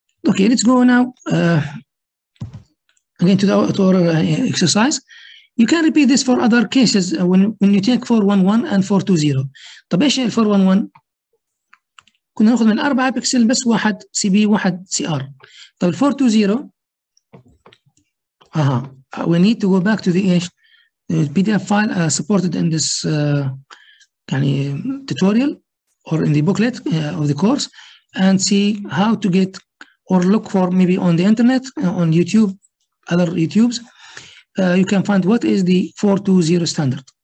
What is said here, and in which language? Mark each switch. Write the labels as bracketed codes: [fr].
[en] Okay, let's go now again to the exercise. You can repeat this for other cases when you take 411 and 420. [ar] طب ايش 411؟ كنا ناخذ من 4 بكسل بس 1 سي بي 1 سي ار. طب 420 اها [en] we need to go back to the PDF file supported in this يعني tutorial or in the booklet of the course and see how to get or look for maybe on the internet, on YouTube, other YouTubes, you can find what is the 420 standard.